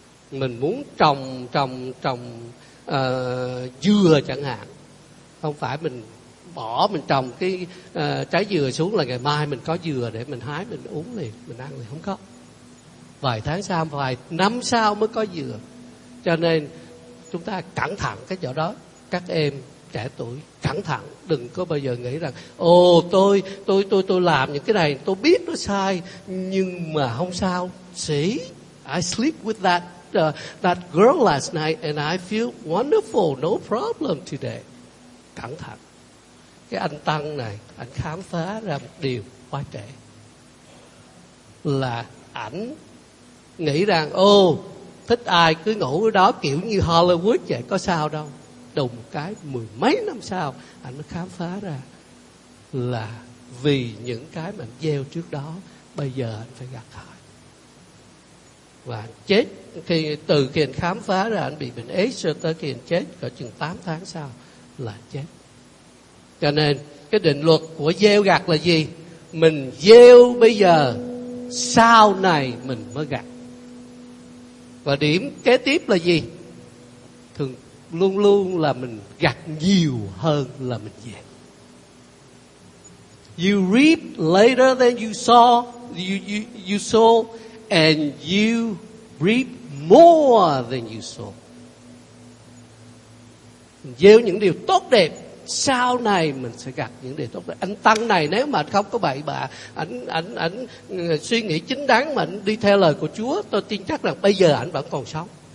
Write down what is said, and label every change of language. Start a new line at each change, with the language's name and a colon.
Vietnamese: Mình muốn trồng dừa chẳng hạn, không phải mình bỏ mình trồng cái trái dừa xuống là ngày mai mình có dừa để mình hái mình uống liền, mình ăn liền. Không có, vài tháng sau, vài năm sau mới có dừa. Cho nên chúng ta cẩn thận cái chỗ đó, các em trẻ tuổi cẩn thận, đừng có bao giờ nghĩ rằng ồ tôi làm những cái này tôi biết nó sai nhưng mà không sao.
English: See, I sleep with that girl last night and I feel wonderful, no problem today.
Vietnamese: Cẩn thận. Cái anh Tăng này, anh khám phá ra một điều quá trễ, là ảnh nghĩ rằng ồ thích ai cứ ngủ ở đó kiểu như Hollywood vậy có sao đâu. Đùng cái mười mấy năm sau ảnh mới khám phá ra là vì những cái mà anh gieo trước đó bây giờ anh phải gặt hại. Và anh chết khi, từ khi anh khám phá ra anh bị bệnh AIDS cho tới khi anh chết cỡ chừng 8 tháng sau là anh chết. Cho nên cái định luật của gieo gặt là gì? mình gieo bây giờ sau này mình mới gặt. Và điểm kế tiếp là gì? Thường luôn luôn là mình gặt nhiều hơn là mình gieo.
English: You reap later than you sow, you sow, and you reap more than you sow.
Vietnamese: Mình gieo những điều tốt đẹp, sau này mình sẽ gặt những điều tốt đẹp. Anh Tăng này nếu mà không có bậy bạ, anh suy nghĩ chính đáng mà anh đi theo lời của Chúa, tôi tin chắc là bây giờ anh vẫn còn sống.